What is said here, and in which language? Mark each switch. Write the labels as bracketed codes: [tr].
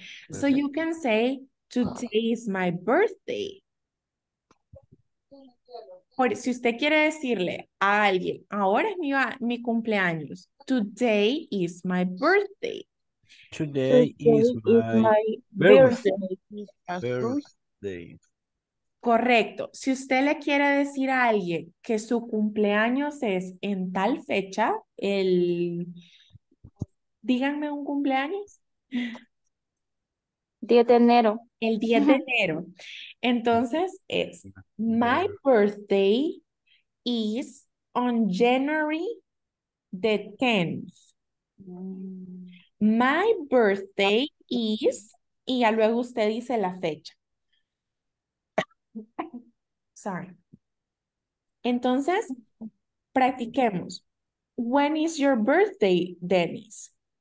[en] So you can say, today is my birthday. [es] Por, si usted quiere decirle a alguien, ahora es mi cumpleaños. [en] Today is my birthday. Today is my birthday. [es] Correcto. Si usted le quiere decir a alguien que su cumpleaños es en tal fecha, el... díganme un cumpleaños. 10 de enero. El 10 de enero. Entonces es, [en] my birthday is on January the 10th. My birthday is, [es] y ya luego usted dice la fecha. [en] Sorry. [es] Entonces, practiquemos. [en] When is your birthday, Dennis?